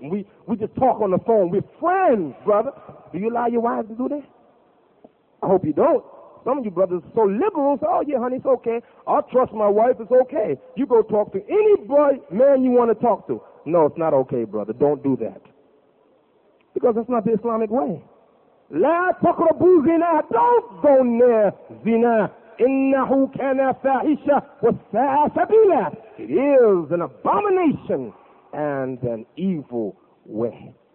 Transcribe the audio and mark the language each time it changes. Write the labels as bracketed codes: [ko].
[en] And we just talk on the phone. We're friends, brother. Do you allow your wife to do that? I hope you don't. Some of you brothers are so liberal. Say, oh, yeah, honey, it's okay. I'll trust my wife. It's okay. You go talk to any boy, man you want to talk to. No, it's not okay, brother. Don't do that. Because that's not the Islamic way. [ar] لا تقربوا زنا. [en] Don't go near zina. [ar] إنه كان فاحشة وساء سبيلا. [en] It is an abomination and an evil way.